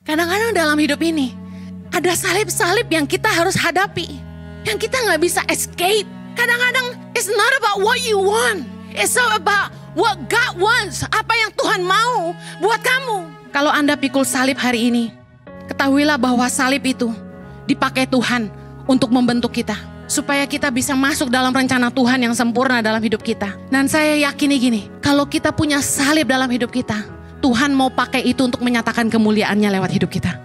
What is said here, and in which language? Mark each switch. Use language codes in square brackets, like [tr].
[id] Kadang-kadang dalam hidup ini ada salib-salib yang kita harus hadapi, yang kita gak bisa escape. Kadang-kadang [en] it's not about what you want, it's all about what God wants. [id] Apa yang Tuhan mau buat kamu. Kalau Anda pikul salib hari ini, ketahuilah bahwa salib itu dipakai Tuhan untuk membentuk kita, supaya kita bisa masuk dalam rencana Tuhan yang sempurna dalam hidup kita. Dan saya yakini gini, kalau kita punya salib dalam hidup kita, Tuhan mau pakai itu untuk menyatakan kemuliaannya lewat hidup kita.